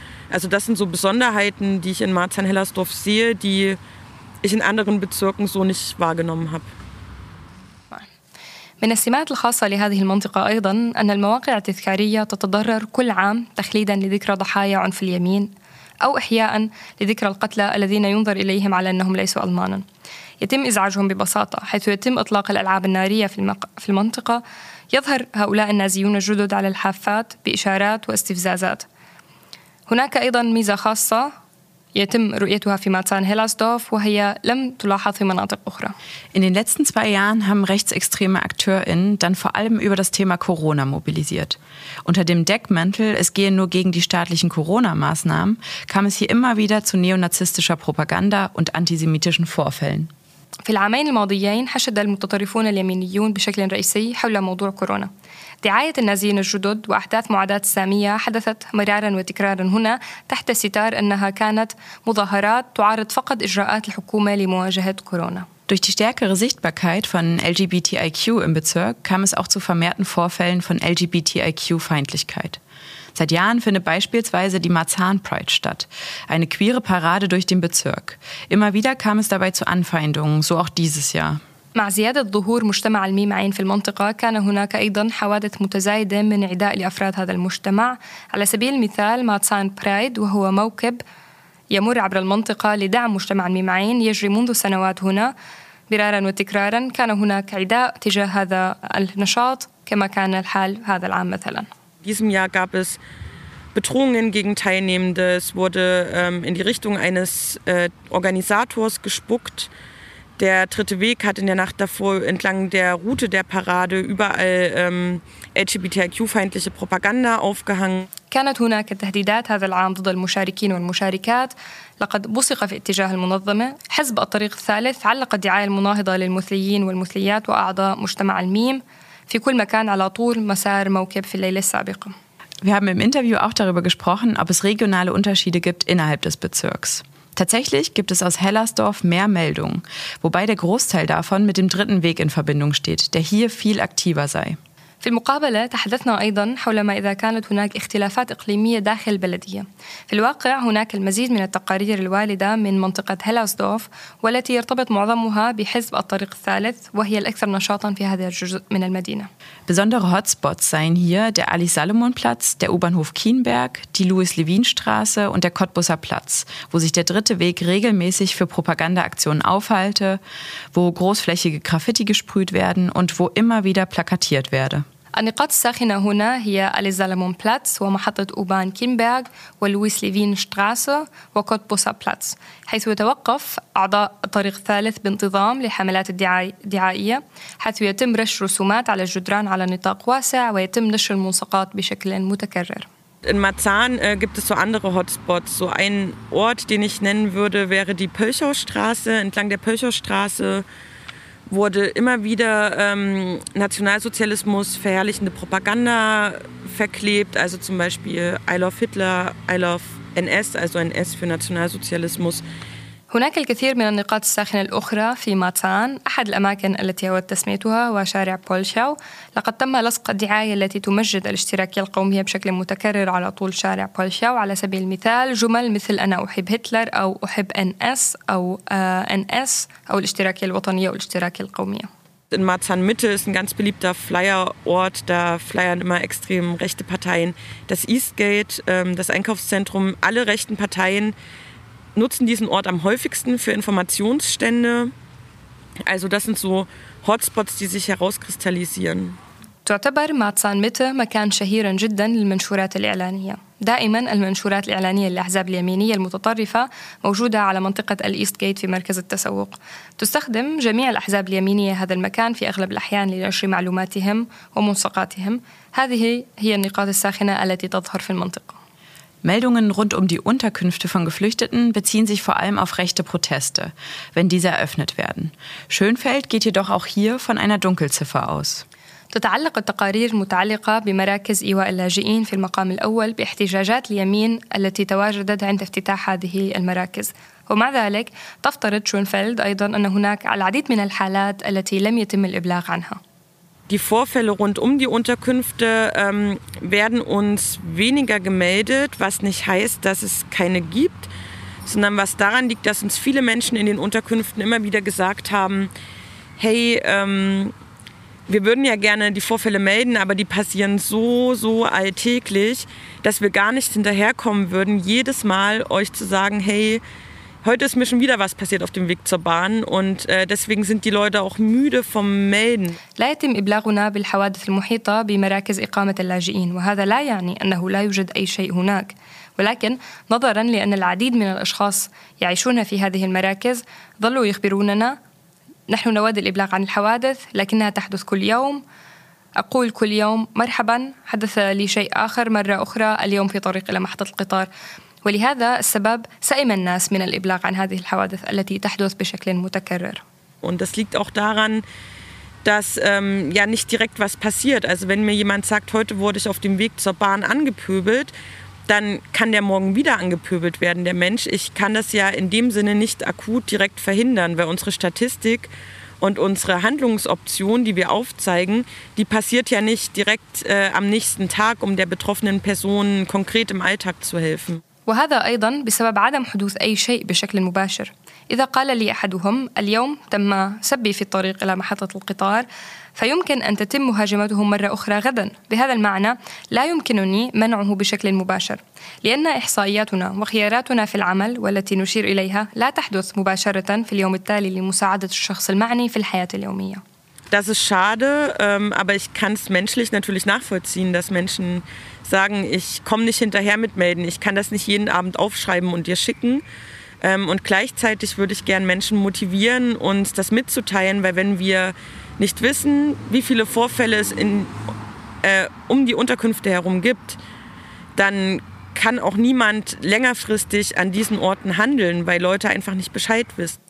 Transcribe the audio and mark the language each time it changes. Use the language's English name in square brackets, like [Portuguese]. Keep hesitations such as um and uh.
[German] Also das sind so Besonderheiten, die ich in Marzahn-Hellersdorf sehe, die ich in anderen Bezirken so nicht wahrgenommen habe. [Arabic] من السمات الخاصة لهذه المنطقة أيضا أن المواقع التذكارية تتضرر كل عام تخليدا لذكرى ضحايا عنف اليمين أو إحياء لذكرى القتلى الذين ينظر إليهم على أنهم ليسوا ألمانا يتم إزعاجهم ببساطة حيث يتم إطلاق الألعاب النارية في, المق... في المنطقة يظهر هؤلاء النازيون الجدد على الحافات بإشارات واستفزازات هناك أيضا ميزة خاصة يتم رؤيتها في ماتان هيلاسدورف وهي لم تلاحظ في مناطق أخرى [German] In den letzten zwei Jahren haben rechtsextreme AkteurInnen dann vor allem über das Thema Corona mobilisiert. Unter dem Deckmantel, es gehe nur gegen die staatlichen Corona-Maßnahmen, kam es hier immer wieder zu neonazistischer Propaganda und antisemitischen Vorfällen. [Arabic] في العامين الماضيين حشد المتطرفون اليمينيون بشكل رئيسي حول موضوع كورونا دعاية النازيين الجدد وأحداث معاداة السامية حدثت مرارا وتكرارا هنا تحت ستار أنها كانت مظاهرات تعارض فقط إجراءات الحكومة لمواجهة كورونا [German] Durch die stärkere Sichtbarkeit von LGBTIQ im Bezirk kam es auch zu vermehrten Vorfällen von LGBTIQ-Feindlichkeit. Seit Jahren findet beispielsweise die Marzahn Pride statt, eine queere Parade durch den Bezirk. Immer wieder kam es dabei zu Anfeindungen, so auch dieses Jahr. [Arabic] مع زيادة ظهور مجتمع الميم عين في المنطقة كان هناك أيضا حوادث متزايدة من عداء لأفراد هذا المجتمع على سبيل المثال ماتسان برايد وهو موكب يمر عبر المنطقة لدعم مجتمع الميم عين يجري منذ سنوات هنا مرارا وتكرارا كان هناك عداء تجاه هذا النشاط كما كان الحال هذا العام مثلا [German] In diesem Jahr gab es Bedrohungen gegen Teilnehmende. Es wurde ähm, in die Richtung eines äh, Organisators gespuckt. Der Dritte Weg hat in der Nacht davor entlang der Route der Parade überall ähm, LGBTIQ-feindliche Propaganda aufgehangen. [Arabic] كانت هناك تهديدات هذا العام ضد المشاركين والمشاركات لقد بصق في اتجاه المنظمة حزب الطريق الثالث علق الدعاية المناهضة للمثليين والمثليات وأعضاء مجتمع الميم في كل مكان على طول مسار موكب في الليلة السابقة [German] Wir haben im Interview auch darüber gesprochen, ob es regionale Unterschiede gibt innerhalb des Bezirks. Tatsächlich gibt es aus Hellersdorf mehr Meldungen, wobei der Großteil davon mit dem dritten Weg in Verbindung steht, der hier viel aktiver sei. [Arabic] في المقابلة تحدثنا أيضا حول ما إذا كانت هناك اختلافات إقليمية داخل البلدية في الواقع هناك المزيد من التقارير الواردة من منطقة هيلاسدورف والتي يرتبط معظمها بحزب الطريق الثالث وهي الأكثر نشاطا في هذا الجزء من المدينة [German] Besondere Hotspots seien hier der Ali-Salomon-Platz, der U-Bahnhof Kienberg, die Louis-Levin-Straße und der Cottbusser Platz, wo sich der dritte Weg regelmäßig für Propagandaaktionen aufhalte, wo großflächige Graffiti gesprüht werden und wo immer wieder plakatiert werde. [Arabic] النقاط الساخنة هنا هي أليزالامون بلاتس ومحطة أوبان كينبرغ ولويس ليفين شتراسة وكوتبوسا بلاتس حيث يتوقف أعضاء الطريق الثالث بانتظام لحملات الدعاي- الدعائية حيث يتم رش رسومات على الجدران على نطاق واسع ويتم نشر الملصقات بشكل متكرر [German] In Marzahn äh, gibt es so andere Hotspots. So ein Ort, den ich nennen würde, wäre die Pölchowstraße. Entlang der Pölchowstraße wurde immer wieder ähm, Nationalsozialismus verherrlichende Propaganda verklebt. Also zum Beispiel [English] I love Hitler, I love NS, [German] also NS für Nationalsozialismus. [Arabic] هناك الكثير من النقاط الساخنة الأخرى في ماتان أحد الأماكن التي أود تسميتها وشارع بولشاو لقد تم لصق الدعاية التي تمجد الاشتراكية القومية بشكل متكرر على طول شارع بولشاو على سبيل المثال جمل مثل أنا أحب هتلر أو أحب أن أس أو أن أس أو الاشتراكية الوطنية والاشتراكية القومية [German] In Marzahn Mitte ist ein ganz beliebter Flyer-Ort. Da flyern immer extrem rechte Parteien. Das Eastgate, ähm, das Einkaufszentrum, alle rechten Parteien nutzen diesen Ort am häufigsten für Informationsstände. Also das sind so Hotspots, die sich herauskristallisieren. [Arabic] تعتبر ماتسان ميتا مكان شهيرا جدا للمنشورات الإعلانية دائما المنشورات الإعلانية للأحزاب اليمينية المتطرفة موجودة على منطقة الإيست جيت في مركز التسوق تستخدم جميع الأحزاب اليمينية هذا المكان في أغلب الأحيان لنشر معلوماتهم وملصقاتهم هذه هي النقاط الساخنة التي تظهر في المنطقة [German] Meldungen rund um die Unterkünfte von Geflüchteten beziehen sich vor allem auf rechte Proteste, wenn diese eröffnet werden. Schönfeld geht jedoch auch hier von einer Dunkelziffer aus. [Arabic] تتعلق التقارير المتعلقة بمراكز إيواء اللاجئين في المقام الأول باحتجاجات اليمين التي تواجدت عند افتتاح هذه المراكز ومع ذلك تفترض شونفيلد أيضا أن هناك العديد من الحالات التي لم يتم الإبلاغ عنها [German] Die Vorfälle rund um die Unterkünfte ähm, werden uns weniger gemeldet, was nicht heißt, dass es keine gibt, sondern was daran liegt, dass uns viele Menschen in den Unterkünften immer wieder gesagt haben, hey, ähm, wir würden ja gerne die Vorfälle melden, aber die passieren so, so alltäglich, dass wir gar nicht hinterherkommen würden, jedes Mal euch zu sagen, hey, heute ist mir schon wieder was passiert auf dem Weg zur Bahn und äh, deswegen sind die Leute auch müde vom Melden. [Arabic] لا يتم إبلاغنا بالحوادث المحيطة بمراكز إقامة اللاجئين وهذا لا يعني أنه لا يوجد أي شيء هناك ولكن نظرا لأن العديد من الأشخاص يعيشون في هذه المراكز ظلوا يخبروننا نحن نود الإبلاغ عن الحوادث لكنها تحدث كل يوم أقول كل يوم مرحبا حدث لي شيء آخر مرة أخرى اليوم في طريق إلى محطة القطار ولهذا السبب سئم الناس من الإبلاغ عن هذه الحوادث التي تحدث بشكل متكرر [German] Und das liegt auch daran, dass ähm, ja nicht direkt was passiert. Also wenn mir jemand sagt, heute wurde ich auf dem Weg zur Bahn angepöbelt, dann kann der morgen wieder angepöbelt werden, der Mensch. Ich kann das ja in dem Sinne nicht akut direkt verhindern, weil unsere Statistik und unsere Handlungsoption, die wir aufzeigen, die passiert ja nicht direkt äh, am nächsten Tag, um der betroffenen Person konkret im Alltag zu helfen. [Arabic] وهذا أيضا بسبب عدم حدوث أي شيء بشكل مباشر إذا قال لي أحدهم اليوم تم سبي في الطريق إلى محطة القطار فيمكن أن تتم مهاجمته مرة أخرى غدا بهذا المعنى لا يمكنني منعه بشكل مباشر لأن إحصائياتنا وخياراتنا في العمل والتي نشير إليها لا تحدث مباشرة في اليوم التالي لمساعدة الشخص المعني في الحياة اليومية [German] Das ist schade, ähm, aber ich kann es menschlich natürlich nachvollziehen, dass Menschen sagen, ich komme nicht hinterher mit melden, ich kann das nicht jeden Abend aufschreiben und dir schicken. Ähm, und gleichzeitig würde ich gern Menschen motivieren, uns das mitzuteilen, weil wenn wir nicht wissen, wie viele Vorfälle es in, äh, um die Unterkünfte herum gibt, dann kann auch niemand längerfristig an diesen Orten handeln, weil Leute einfach nicht Bescheid wissen.